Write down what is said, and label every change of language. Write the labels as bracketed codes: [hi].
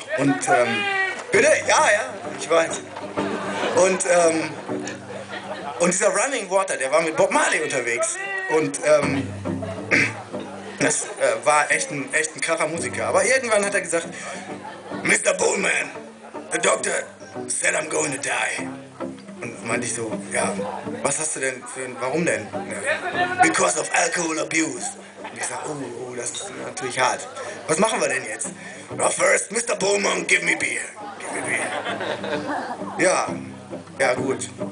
[de] Und bitte, ja, ja, ich weiß. Und dieser Running Water, der war mit Bob Marley unterwegs. Und das war echt ein kracher Musiker. Aber irgendwann hat er gesagt, Mr. [en] Bullman, the doctor said I'm going to die. [de] Und meinte ich so, ja, was hast du denn für, warum denn? Ja. [en] Because of alcohol abuse. [de] Und ich sag, oh, das ist natürlich hart. Was machen wir denn jetzt? [en] Well, first, Mr. Bowman, give me beer. Give me beer. [de] Ja, ja gut.